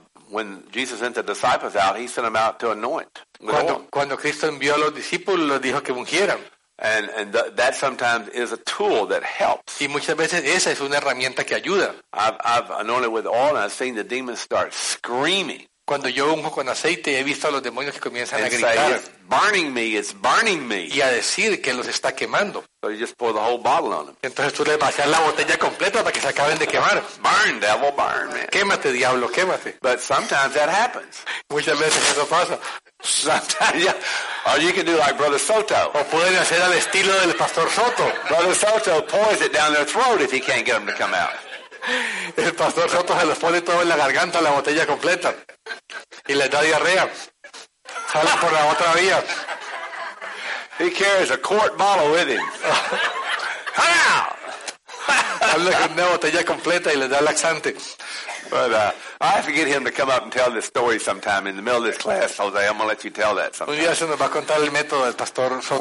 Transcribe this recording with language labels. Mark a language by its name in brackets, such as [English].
[English] When Jesus sent the disciples out, he sent them out to anoint. [Spanish] Cuando Cristo envió a los discípulos, les dijo que ungieran. [English] And that sometimes is a tool that helps. [Spanish] Y muchas veces esa es una herramienta que ayuda. [English] I've anointed with oil and I've seen the demons start screaming. [Spanish] Cuando yo unjo con aceite he visto a los demonios que comienzan [English] and [Spanish] a gritar. [English] Say, it's burning me, it's burning me. [Spanish] Y a decir que los está quemando. [English] So you just pour the whole bottle on them. [Spanish] Entonces tú le vacías la botella completa para que se acaben de quemar. [English] Burn, devil, burn, man. [Spanish] Quémate, diablo, quémate. [English] But sometimes that happens. [Spanish] Muchas veces eso pasa. [English] Sometimes, yeah. Or you can do like Brother Soto. [Spanish] O pueden hacer al estilo del Pastor Soto. [English] Brother Soto pours it down their throat if he can't get them to come out. [Spanish] El Pastor Soto se los pone todo en la garganta, la botella completa. Y les da diarrea. Sale por la otra vía. [English] He carries a quart bottle with him. [Spanish] Habla con una botella completa y les da laxante. [English] But I have to get him to come up and tell this story sometime in the middle of this class, Jose. I'm going to let you tell that sometime. [Spanish] Un día se nos va a contar el método del Pastor Soto.